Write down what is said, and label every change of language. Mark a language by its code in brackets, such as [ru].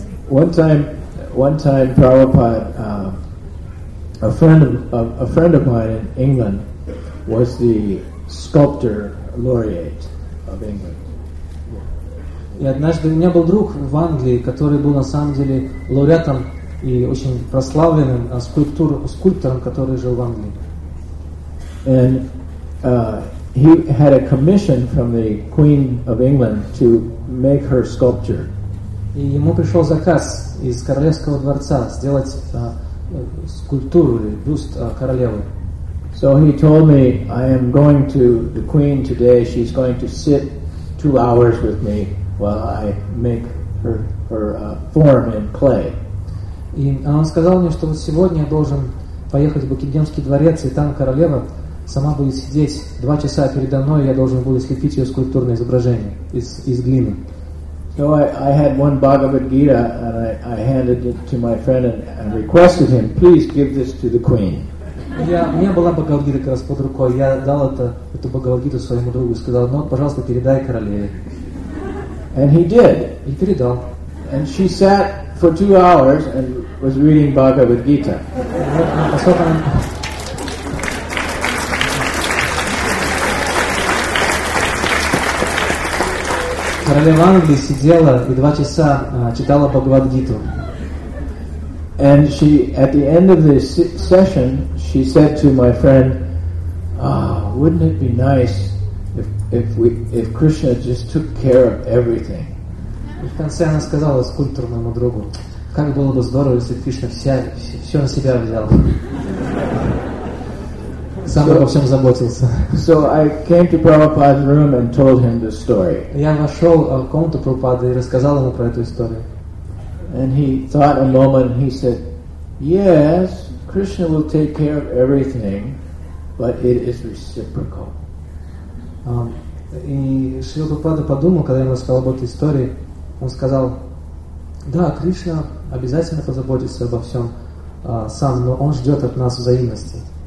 [en] One time Prabhupada, a friend of mine in England was the sculptor laureate of England. [ru] И однажды у меня был друг в Англии, который был на самом деле лауреатом и очень прославленным скульптором, который жил в Англии. [en] And he had a commission from the Queen of England to make her sculpture. [ru] И ему пришел заказ из королевского дворца сделать скульптуру или бюст королевы. [en] So he told me, I am going to the queen today. She's going to sit 2 hours with me while I make her form in clay. [ru] И он сказал мне, что вот сегодня я должен поехать в Букингемский дворец, и там королева сама будет сидеть 2 часа передо мной, и я должен буду слепить ее скульптурное изображение из глины. [en] So I had one Bhagavad Gita and I handed it to my friend and requested him, please give this to the queen. [ru] У меня была Бхагавад Гита как раз под рукой. Я дал эту Бхагавад Гиту своему другу и сказал, ну вот, пожалуйста, передай королеве. [en] And he did. [ru] И передал. [en] And she sat for 2 hours and was reading Bhagavad Gita. [ru] Королева Англии сидела и 2 часа читала Бхагавад-гиту. [en] And she, at the end of the session, she said to my friend, "Ah, wouldn't it be nice if Krishna just took care of everything?" [ru] И в конце она сказала скульптору моему другу, "Как было бы здорово, если Кришна все на себя взял, сам обо всем заботился." [en] So I came to Prabhupada's room and told him this story. [ru] Я вошел в комнату Прабхупады и рассказал ему про эту историю. [en] And he thought a moment. He said, "Yes, Krishna will take care of everything, but it is reciprocal." [ru] И Шрила Прабхупада подумал, когда я ему рассказал об этой истории, он сказал, "Да, Кришна обязательно позаботится обо всем сам, но он ждет от нас взаимности."